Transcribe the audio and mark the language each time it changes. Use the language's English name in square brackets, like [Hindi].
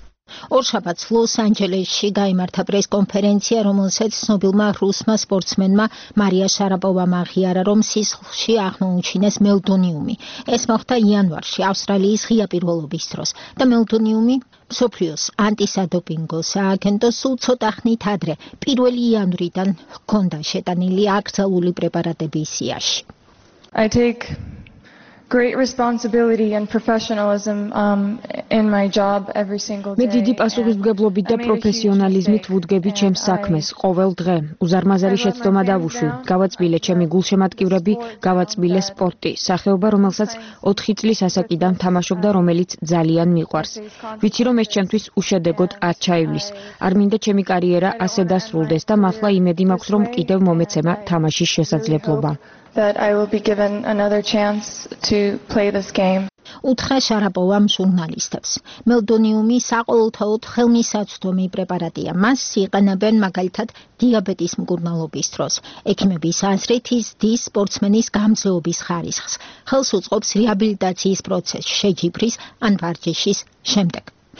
[Georgian] ორშაბათს ლოს-ანჯელესში გაიმართა პრესკონფერენცია, რომელსაც ცნობილმა რუსმა სპორტსმენმა მარია შარაპოვამ აღიარა, რომ სისხლში აღმოუჩინეს მელდონიუმი. ეს მოხდა იანვარში, ავსტრალიის ღია პირველობის დროს. და მელდონიუმი მსოფლიოს ანტისადოპინგო სააგენტოს სულ ცოტა ხნით ადრე, 1 იანვრიდან ჰქონდა შეტანილი აკრძალული პრეპარატების სიაში. [English] I take great responsibility and professionalism in my job every single day. [Georgian] მე დიდი პასუხისმგებლობით და პროფესიონალიზმით ვუდგები ჩემს საქმეს ყოველ დღე. უზარმაზარი შეცდომა დავუშვი, გავაწმილე ჩემი გულშემატკივრები, გავაწმილე სპორტი, სახეობა, რომელსაც 4 წლის ასაკიდან თამაშობდა, რომელიც ძალიან მიყვარს. ვიცი რომ ეს ჩემთვის უშედეგოდ არ ჩაივლის. არ მინდა ჩემი კარიერა ასე დასრულდეს და მართლა იმედი მაქვს, რომ კიდევ მომეცემა თამაშის შესაძლებლობა. [English] That I will be given another chance to play this game. [Georgian] უთხრა შარაპოვამ ჟურნალისტებს. მელდონიუმი საყოველთაოდ ხელმისაწვდომი პრეპარატია. მას იყენებენ მაგალითად დიაბეტის მკურნალობის დროს. ექიმების აზრით ის დის სპორტსმენის გამძლეობის ხარისხს. ხელს უწყობს რეაბილიტაციის პროცესს შეჯიბრის ან ვარჯიშის შემდეგ.